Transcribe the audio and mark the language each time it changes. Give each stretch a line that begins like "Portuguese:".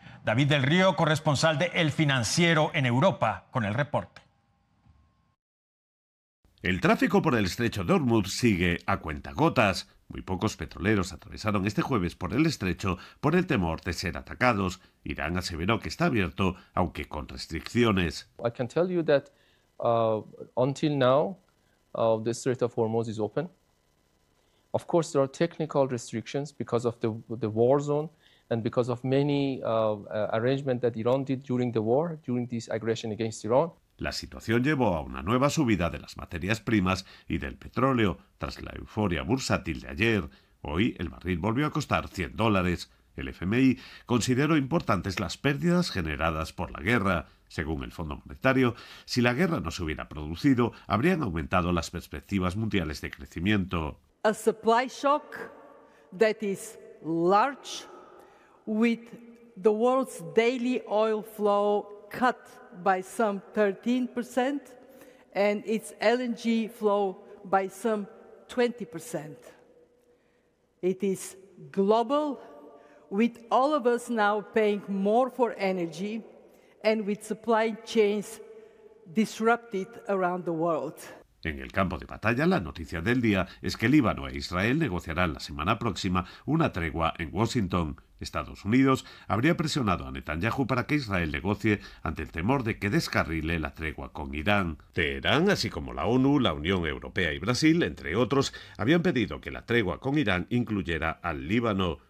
Spanish: David del Río, corresponsal de El Financiero en Europa, con el reporte. El tráfico por el estrecho de Hormuz sigue a cuentagotas. Muy pocos petroleros atravesaron este jueves por el estrecho por el temor de ser atacados. Irán aseveró que está abierto, aunque con restricciones.
English: I can tell you that until now the Strait of Hormuz is open. Of course there are technical restrictions because of the war zone and because of many arrangements that Iran did during the war, during this aggression against Iran.
Spanish: La situación llevó a una nueva subida de las materias primas y del petróleo tras la euforia bursátil de ayer. Hoy el barril volvió a costar $100. El FMI consideró importantes las pérdidas generadas por la guerra. Según el Fondo Monetario, si la guerra no se hubiera producido, habrían aumentado las perspectivas mundiales de crecimiento.
English: A supply shock that is large, with the world's daily oil flow cut by some 13% and its LNG flow by some 20%. It is global, with all of us now paying more for energy and with supply chains disrupted around the world.
Spanish: En el campo de batalla, la noticia del día es que Líbano e Israel negociarán la semana próxima una tregua en Washington. Estados Unidos habría presionado a Netanyahu para que Israel negocie ante el temor de que descarrile la tregua con Irán. Teherán, así como la ONU, la Unión Europea y Brasil, entre otros, habían pedido que la tregua con Irán incluyera al Líbano.